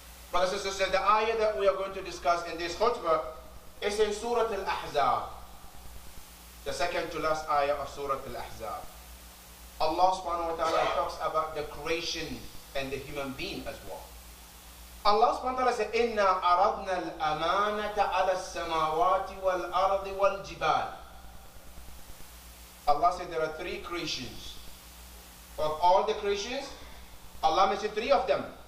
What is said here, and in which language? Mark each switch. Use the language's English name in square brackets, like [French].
[English] Brothers and sisters, the ayah that we are going to discuss in this khutbah is in Surah Al-Ahzab, the second to last ayah of Surah Al-Ahzab. Allah subhanahu wa ta'ala talks about the creation and the human being as well. Allah subhanahu wa ta'ala says, [Arabic] إِنَّا أَرَضْنَا الْأَمَانَةَ عَلَى السَّمَاوَاتِ وَالْأَرْضِ وَالْجِبَالِ. [English] Allah said there are three creations. Of all the creations, Allah mentioned three of them.